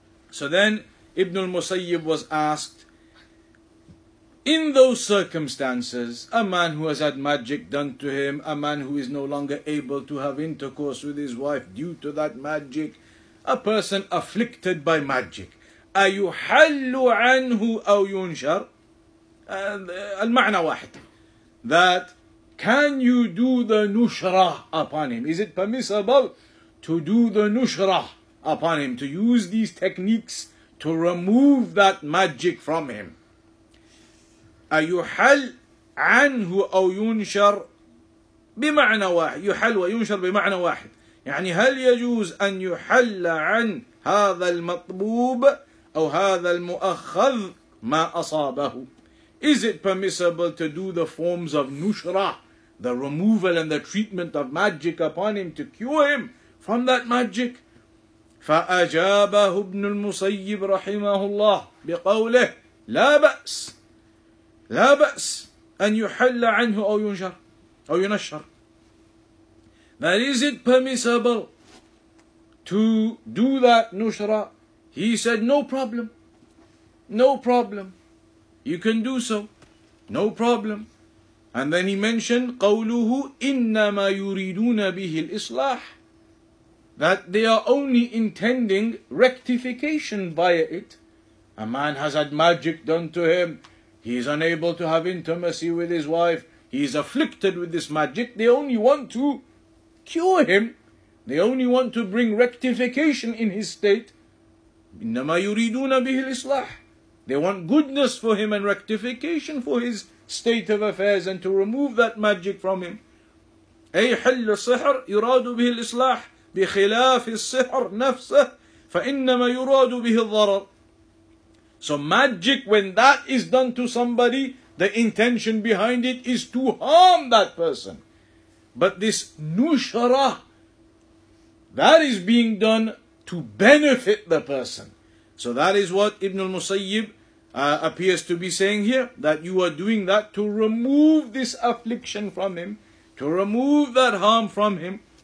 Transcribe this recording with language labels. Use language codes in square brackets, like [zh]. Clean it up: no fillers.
[en] So then Ibn al-Musayyib was asked, in those circumstances, a man who has had magic done to him, a man who is no longer able to have intercourse with his wife due to that magic, a person afflicted by magic, [ar] أَيُحَلُّ عَنْهُ أَوْ يُنْشَرُ, المعنى واحد, [en] that can you do the nushra upon him? Is it permissible to do the nushra upon him, to use these techniques to remove that magic from him? [ar] أَيُحَلْ عَنْهُ أَوْ يُنْشَرْ بِمَعْنَ وَاحِدٍ, يُحَلْ وَيُنْشَرْ بِمَعْنَ وَاحِدٍ, يعني هل يجوز أن يحل عن هذا المطبوب أو هذا المؤخذ ما أصابه? [en] Is it permissible to do the forms of nushra, the removal and the treatment of magic upon him to cure him from that magic? [ar] فأجابه ابن المصيب رحمه الله بقوله لا بأس, لا بأس أن يحل عنه أو ينشر, أو ينشر. [en] That is it permissible to do that nushra? He said no problem, no problem, you can do so, no problem. And then he mentioned [ar] قوله إنما يريدون به الإصلاح, [en] that they are only intending rectification via it. A man has had magic done to him, he is unable to have intimacy with his wife, he is afflicted with this magic, they only want to cure him, they only want to bring rectification in his state. [ar] إِنَّمَا يُرِيدُونَ بِهِ الْإِصْلَاحِ, [en] they want goodness for him and rectification for his state of affairs and to remove that magic from him. [ar] أي حل الصحر يراد به الإصلاح بخلاف الصحر نفسه فإنما يراد به الضرر. [en] So magic, when that is done to somebody, the intention behind it is to harm that person. But this nushra, that is being done to benefit the person. So that is what Ibn al-Musayyib appears to be saying here, that you are doing that to remove this affliction from him, to remove that harm from him.